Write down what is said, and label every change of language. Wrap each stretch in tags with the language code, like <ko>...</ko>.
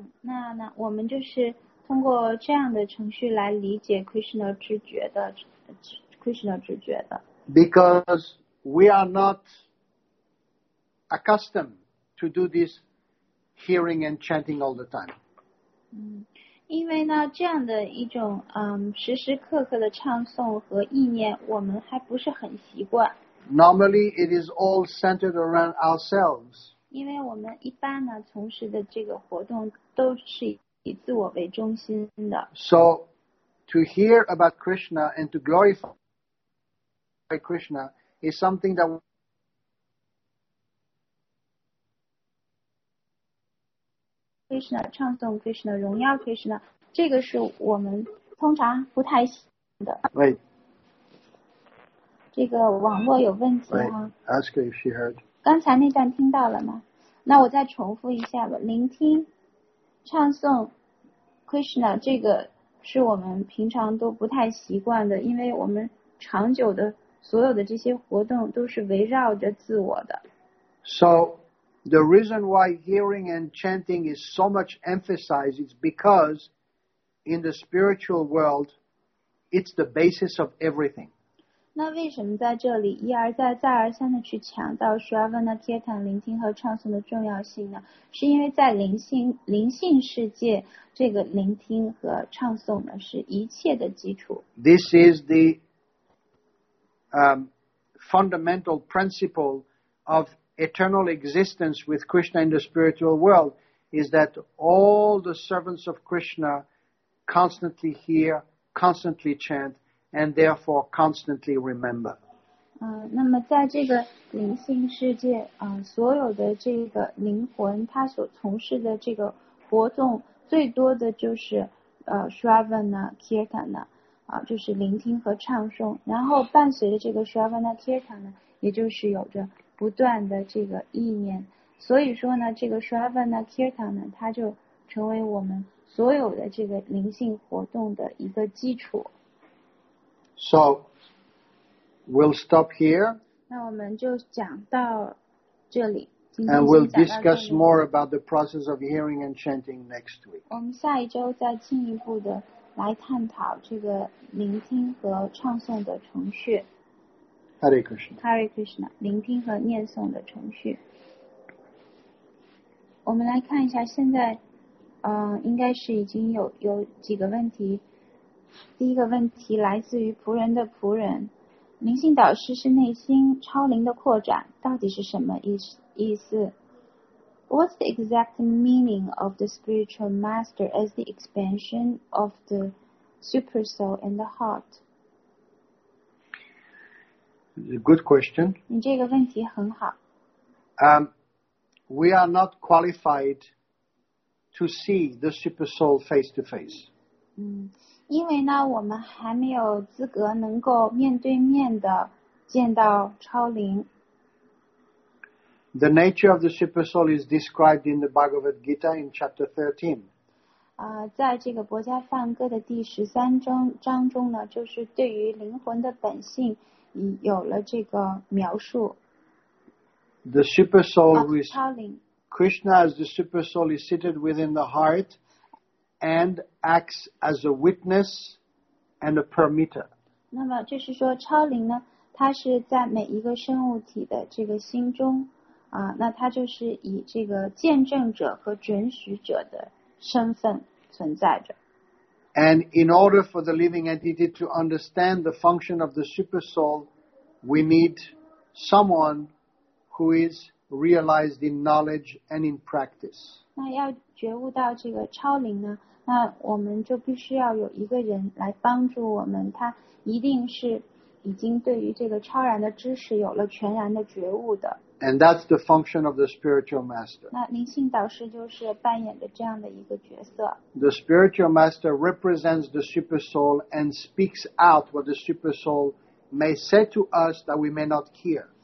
<zh>那我们就是通过这样的程序来理解 Krishna 知觉的 Krishna 知觉的。</zh> <en>Because we are not accustomed to do this hearing and chanting all the time.</en> <zh>因为呢这样的一种时时刻刻的唱诵和意念我们还不是很习惯。</zh> <en>Normally it is all centered around ourselves.</en> <zh>因为我们一般呢从事的这个活动都是以自我为中心的。</zh> <en>So, to hear about Krishna and to glorify Krishna is something that</en> <zh>Krishna 唱诵 Krishna 荣耀 Krishna， 这个是我们通常不太喜欢的。</zh> <en>Wait.</en> <zh>这个网络有问题</zh> <en>吗 ？Ask her if she heard.</en> <zh>刚才那段听到了吗？那我再重复一下吧。聆听，唱诵。 Krishna 这个是我们平常都不太习惯的，因为我们长久的所有的这些活动都是围绕着自我的。</zh> <en>So the reason why hearing and chanting is so much emphasized is because in the spiritual world it's the basis of everything.</en> <zh>那为什么在这里一而再再而三的去强调 Shravana Kirtan 聆听和唱诵的重要性呢？是因为在灵性世界，这个聆听和唱诵呢，是一切的基础。</zh> <en>This is the fundamental principle of eternal existence with Krishna in the spiritual world, is that all the servants of Krishna constantly hear, constantly chant, and therefore constantly remember.</en> <zh>那么在这个灵性世界，所有的这个灵魂，他所从事的这个活动。最多的就是Shravana Kirtana， 就是聆听和唱诵，然后伴随着这个 Shravana Kirtana 也就是有着不断的这个意念，所以说呢这个 Shravana Kirtana 它就成为我们所有的这个灵性活动的一个基础。</zh> <en>So we'll stop here.</en> <zh>那我们就讲到这里。</zh> <en>And we'll discuss more about the process of hearing and chanting next week.</en> <zh>我们下一周再进一步的来探讨这个聆听和唱诵的程序。</zh> <en>Hare Krishna. Hare Krishna.</en> <zh>聆听和念诵的程序。我们来看一下现在，应该是已经有几个问题。第一个问题来自于仆人的仆人。灵性导师是内心超灵的扩展，到底是什么意思 ？</zh> <en>What's the exact meaning of the spiritual master as the expansion of the super soul and the heart? Good question.</en> <zh>你这个问题很好。</zh> <en>We are not qualified to see the super soul face to face.</en> <zh>因为呢，我们还没有资格能够面对面的见到超灵。</zh> <en>The nature of the super soul is described in the Bhagavad Gita in chapter 13.</en> <zh>在这个《薄伽梵歌》的第十三章中呢，就是对于灵魂的本性有了这个描述。</zh> <en>The super soul is</en> <zh>超灵。</zh> <en>Krishna as the super soul is seated within the heart. And acts as a witness and a permitter.</en> <zh>那么就是说，超灵呢，它是在每一个生物体的这个心中，那它就是以这个见证者和准许者的身份存在着。</zh> <en>And in order for the living entity to understand the function of the super soul, we need someone who is. Realized in knowledge and in practice.</en> <zh>那要觉悟到这个超灵呢，那我们就必须要有一个人来帮助我们。他一定是已经对于这个超然的知识有了全然的觉悟的。</zh> <en>And that's the function of the spiritual master.</en> <zh>那灵性导师就是扮演的这样的一个角色。</zh> <en>The spiritual master represents the super soul and speaks out what the super soul may say to us that we may not hear.</en>